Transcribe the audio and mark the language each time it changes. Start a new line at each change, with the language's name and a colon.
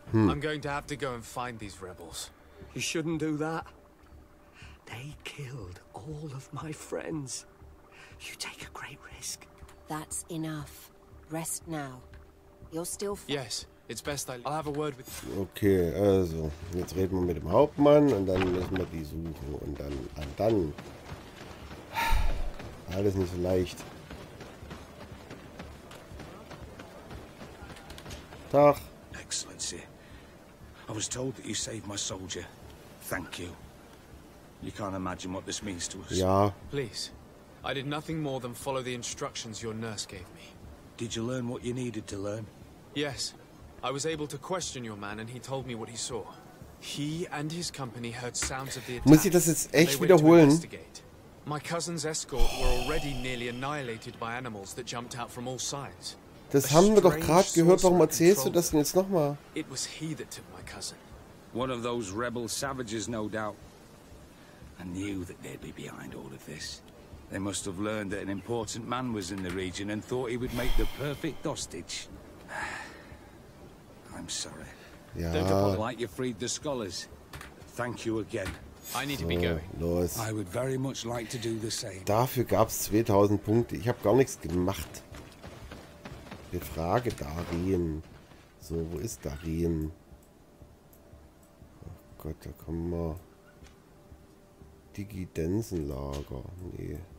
English: Hmm. I'm going to have to go and find these rebels. You shouldn't do that. They killed all of my friends. You take a great risk. That's enough. Rest now. You're still fine. Yes, it's best I'll have a word with...
German: Okay, also, jetzt reden wir mit dem Hauptmann und dann müssen wir die suchen und dann... Alles nicht so leicht. Tag.
English: Excellency. I was told that you saved my soldier. Thank you. You can't imagine what this means to us.
German: Ja.
English: Please. I did nothing more than follow the instructions your nurse gave me. Did you learn what you needed to learn? Yes. I was able to question your man and he told me what he saw. He and his company heard sounds of the attack.
German: Muss ich das jetzt echt wiederholen?
English: My cousin's escort were already nearly annihilated by animals that jumped out from all sides.
German: Das haben wir doch gerade gehört. Warum erzählst du das denn jetzt nochmal?
English: It was he that took my cousin. One of those rebel savages, no doubt. I knew that they'd be behind all of this. They must have learned that an important man was in the region and thought he would make the perfect hostage. I'm sorry.
German: Ja.
English: Don't apologize like you freed the scholars. Thank you again. I need to be going.
German: Los.
English: I would very much like to do the same.
German: Dafür gab's 2000 Punkte. Ich habe gar nichts gemacht. Befrage Darien. So, wo ist Darien? Oh Gott, da kommen wir. Digidensenlager. Nee.